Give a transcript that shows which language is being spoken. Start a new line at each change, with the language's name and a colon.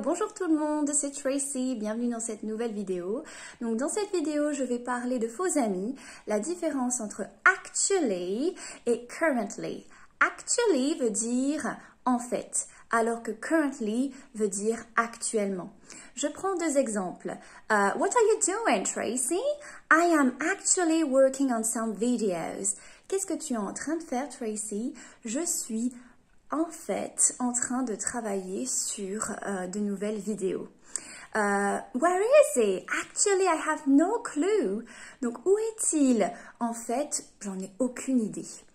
French: Bonjour tout le monde, c'est Tracy, bienvenue dans cette nouvelle vidéo. Donc dans cette vidéo, je vais parler de faux amis, la différence entre actually et currently. Actually veut dire en fait, alors que currently veut dire actuellement. Je prends deux exemples.
English: What are you doing, Tracy? I am actually working on some videos.
French: Qu'est-ce que tu es en train de faire, Tracy? Je suis en fait en train de travailler sur de nouvelles vidéos.
English: Where is it? Actually, I have no clue.
French: Donc, où est-il? En fait, j'en ai aucune idée.